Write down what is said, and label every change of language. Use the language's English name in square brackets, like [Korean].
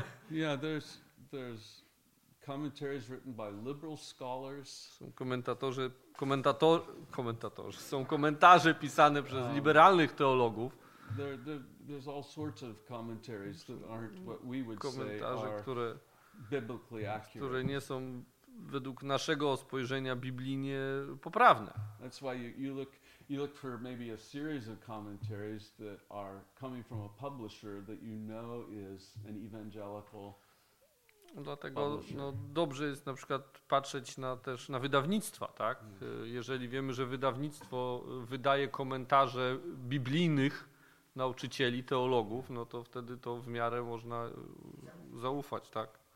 [English] Yeah, there's commentaries written by liberal scholars. [Polish] Są komentatorzy, komentatorzy. Są komentarze pisane przez liberalnych teologów. [English] There's all sorts of commentaries that aren't what we would [Polish] komentarze, [English] say are biblically accurate. [Polish] Które nie są według naszego spojrzenia biblijnie poprawne. [English] That's why you look for maybe a series of commentaries that are coming from a publisher that you know is an evangelical. [Polish] Dlatego no, dobrze jest na przykład patrzeć na też na wydawnictwa, tak? Jeżeli wiemy, że wydawnictwo wydaje komentarze biblijnych nauczycieli, teologów, no to wtedy to w miarę można zaufać, tak?